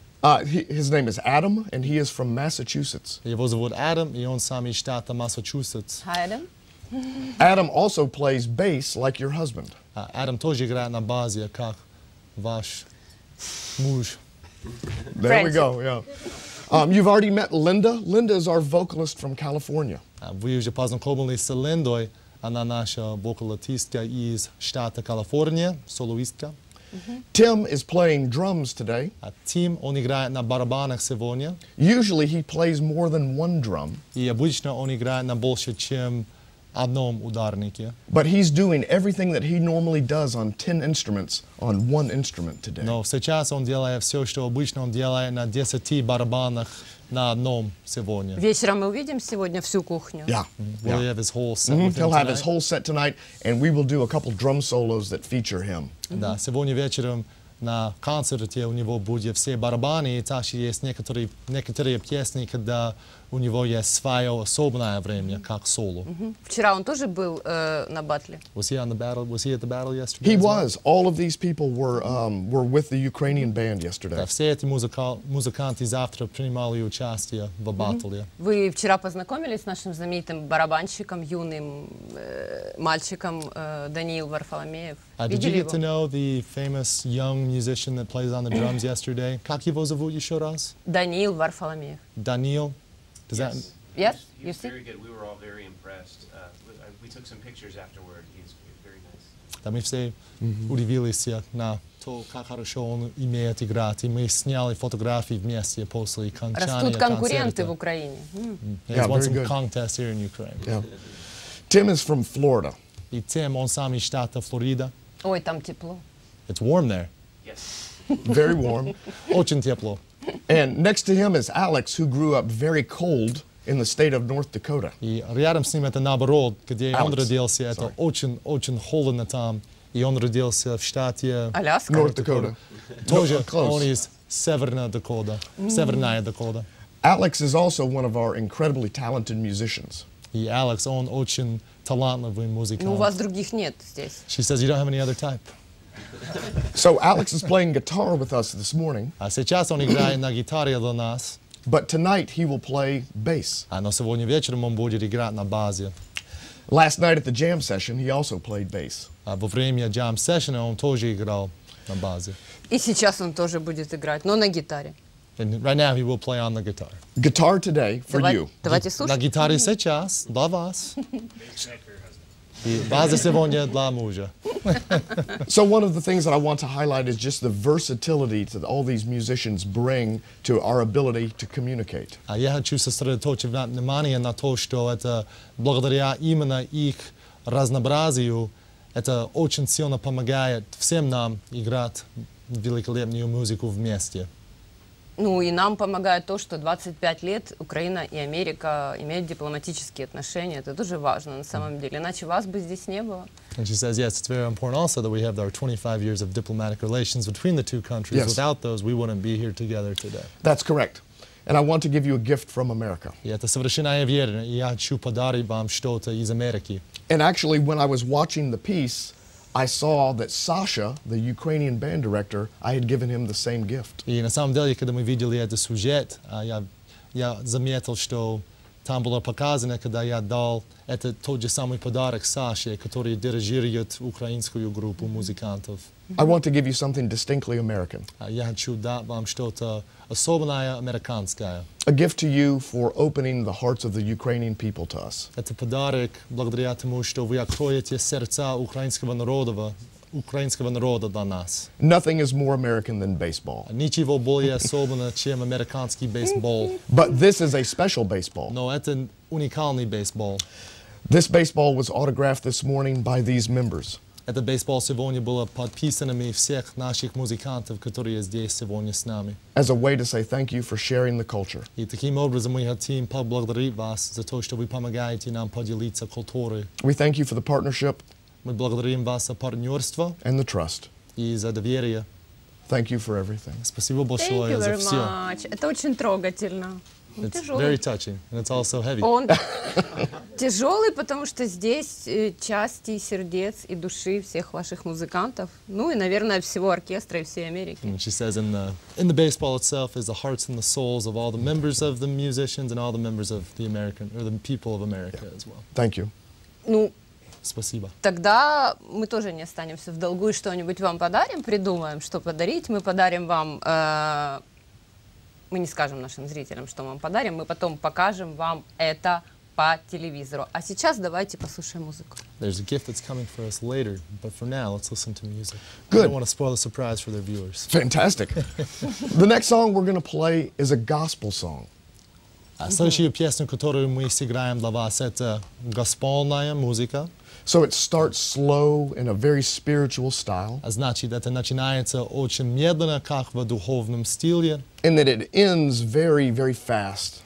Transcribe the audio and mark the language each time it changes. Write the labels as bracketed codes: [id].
[en] His name is Adam, and he is from Massachusetts. [ru] Его зовут Адам, и он сам из штата Массачусетс. [en] Hi, Adam. Adam also plays bass like your husband. [ru] Adam тоже играет на базе, как ваш муж. [en] There Friends. We go, yeah. You've already met Linda. Linda is our vocalist from California. [ru] Вы уже познакомились с Линдой. Она наша вокалистка из штата Калифорния, солоистка. [en] Tim is playing drums today. [ru] Tim, он играет на барабанах сегодня. [en] Usually he plays more than one drum. [ru] И обычно он играет на больше, чем одном ударнике. [en] But he's doing everything that he normally does on 10 instruments on one instrument today. [ru] Но сейчас он делает все, что обычно он делает на 10 барабанах на одном сегодня. Вечером мы увидим сегодня всю кухню. [en] Yeah. We'll yeah. have his whole set mm-hmm. with him He'll tonight. Have his whole set tonight, and we will do a couple drum solos that feature him. Mm-hmm. [ru] Да, сегодня вечером на концерте у него будет все барабаны, и также есть некоторые песни, когда у него есть свое особенное время, как соло. Mm-hmm. Вчера он тоже был на батле. [en] Was he on the battle? Was he at the battle yesterday? He was. Well? All of these people were with the Ukrainian band yesterday. [ru] Да, все эти музыканты завтра принимали участие в батле. Mm-hmm. Вы вчера познакомились с нашим знаменитым барабанщиком, юным мальчиком Даниил Варфоломеев. [en] Did you get to know the famous young musician that plays on the drums yesterday? [ru] Как его зовут еще раз? Даниил Варфоломеев. [en] Даниил. Does yes. that yes? He was very good. We were all very impressed. We took some pictures afterward. He's very nice. [ru] Да, мы все удивились на то, как хорошо он умеет играть. И мы сняли фотографии вместе после окончания концерта. Растут конкуренты в Украине. [en] He's won some contest here in Ukraine. Yeah. Tim is from Florida. [ru] И Тим, он сам из штата Флорида. Ой, там тепло. [en] It's warm there. Yes. Very warm. [ru] Очень тепло. [en] And next to him is Alex, who grew up very cold in the state of North Dakota. [ru] И рядом с ним это наоборот, где он родился, это очень-очень холодно там. И он родился в штате... Аляска? [en] North Dakota. [ru] Тоже он из Северная Дакота. Северная Дакота. [en] Alex is also one of our incredibly talented musicians. [ru] И Алекс, он очень талантливый музыкант. Но у вас других нет здесь. [en] She says, you don't have any other type. So Alex is playing guitar with us this morning. [ru] Сейчас он играет на гитаре для нас. [en] But tonight he will play bass. [ru] Но сегодня вечером он будет играть на базе. [en] Last night at the jam session he also played bass. [ru] Во время jam session он тоже играл на базе. И сейчас он тоже будет играть, но на гитаре. [en] And right now he will play on the guitar. Guitar today for you. [ru] Давайте слушать. На гитаре сейчас для вас. [en] So one of the things that I want to highlight is just the versatility that all these musicians bring to our ability to communicate. [ru] Я хочу сосредоточить внимание на то, что это благодаря именно их разнообразию это очень сильно помогает всем нам играть великолепную музыку вместе. Ну и нам помогает то, что 25 лет Украина и Америка имеют дипломатические отношения. Это тоже важно на самом деле. Иначе вас бы здесь не было. [en] And she says, yes, it's very important also that we have our 25 years of diplomatic relations between the two countries. Yes. Without those, we wouldn't be here together today. That's correct. And I want to give you a gift from America. And actually, when I was watching the piece, I saw that Sasha, the Ukrainian band director, I had given him the same gift. [ru] И на самом деле, когда мы видели этот сюжет, я заметил, что там было показано, когда я дал этот тот же самый подарок Саше, который дирижирует украинскую группу музыкантов. [en] I want to give you something distinctly American. [ru] Я хочу дать вам что-то особенное американское. [en] A gift to you for opening the hearts of the Ukrainian people to us. [ru] Это подарок благодаря тому, что вы откроете сердца украинского народа для нас. [en] Nothing is more American than baseball. [ru] Ничего более особенного, чем американский бейсбол. [en] But this is a special baseball. [ru] Но это уникальный бейсбол. [en] This baseball was autographed this morning by these members. [ru] Этот бейсбол сегодня был подписан всех наших музыкантов, которые здесь сегодня с нами. [en] As a way to say thank you for sharing the culture. [ru] И таким образом мы хотим поблагодарить вас за то, что вы помогаете нам поделиться культурой. [en] We thank you for the partnership. [ru] Мы благодарим вас за партнерство. [en] And the trust. [ru] И за доверие. [en] Thank you for everything. [ru] Спасибо большое [en] thank you [ru] за [en] very [ru] все. [en] Much. [ru] Это очень трогательно. [en] It's very touching, and it's also heavy. [ru] Он тяжелый, потому что здесь части сердец и души всех ваших музыкантов, ну и, наверное, всего оркестра и всей Америки. [en] And she says in the baseball itself is the hearts and the souls of all the members of the musicians and all the members of the American or the people of America as well. Thank you. [ru] Ну, спасибо. Тогда мы тоже не останемся в долгу и что-нибудь вам подарим, придумаем, что подарить. Мы подарим вам. Мы не скажем нашим зрителям, что мы вам подарим, мы потом покажем вам это по телевизору. А сейчас давайте послушаем музыку. [en] There's a gift that's coming for us later, but for now, let's listen to music. Good. I don't want to spoil the surprise for their viewers. Fantastic. The next song we're going to play is a gospel song. [ru] Следующая песня, которую мы сыграем для вас, это госпольная музыка. [en] So it starts slow in a very spiritual style. [ru] Значит, это начинается очень медленно, как в духовном стиле. [en] And that it ends very, very fast.